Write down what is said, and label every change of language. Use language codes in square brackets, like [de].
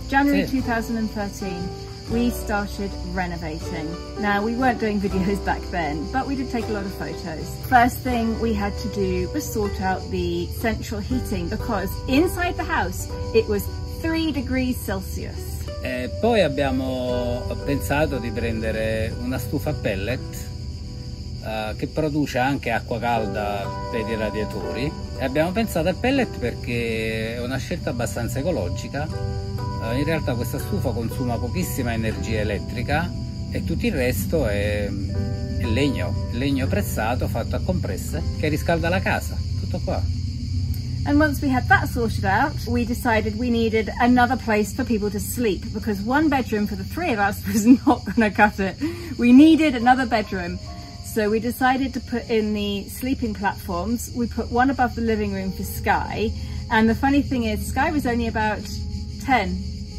[en] January 2013, we started renovating. Now, we weren't doing videos back then, but we did take a lot of photos. First thing we had to do was sort out the central heating, because inside the house it was 3 degrees Celsius. [it] E poi abbiamo pensato di prendere una stufa pellet che produce anche acqua calda per i radiatori. E abbiamo pensato al pellet perché è una scelta abbastanza ecologica. In realtà questa stufa consuma pochissima energia elettrica e tutto il resto è legno pressato fatto a compresse che riscalda la casa. Tutto qua. [en] And once we had that sorted out, we decided we needed another place for people to sleep, because one bedroom for the three of us was not going to cut it. We needed another bedroom. So we decided to put in the sleeping platforms. We put one above the living room for Sky. And the funny thing is, Sky was only about 10.